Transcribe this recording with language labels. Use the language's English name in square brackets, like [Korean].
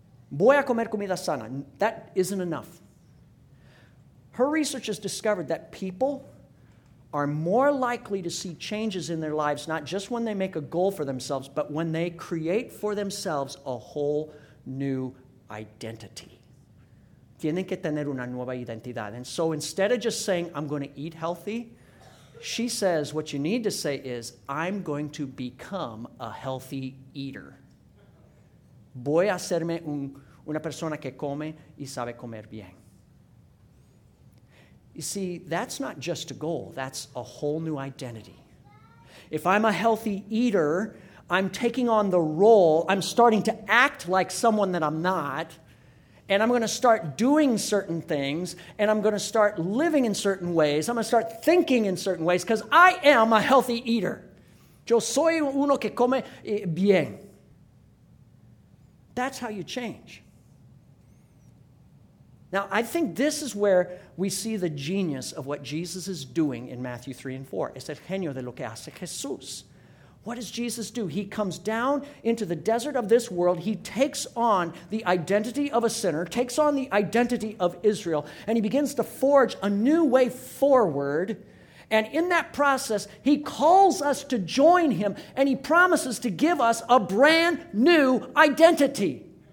[Spanish] Voy a comer comida sana. [English] That isn't enough. Her research has discovered that people are more likely to see changes in their lives, not just when they make a goal for themselves, but when they create for themselves a whole new identity. [Spanish] Tienen que tener una nueva identidad. [English] And so instead of just saying, I'm going to eat healthy, she says what you need to say is, I'm going to become a healthy eater. [Spanish] Voy a hacerme una persona que come y sabe comer bien. [English] You see, that's not just a goal. That's a whole new identity. If I'm a healthy eater, I'm taking on the role. I'm starting to act like someone that I'm not. And I'm going to start doing certain things. And I'm going to start living in certain ways. I'm going to start thinking in certain ways because I am a healthy eater. [Spanish] Yo soy uno que come bien. [English] That's how you change. Now, I think this is where we see the genius of what Jesus is doing in Matthew 3 and 4. [Spanish] Es el genio de lo que hace Jesús. [English] What does Jesus do? He comes down into the desert of this world. He takes on the identity of a sinner, takes on the identity of Israel, and he begins to forge a new way forward. And in that process, he calls us to join him, and he promises to give us a brand new identity.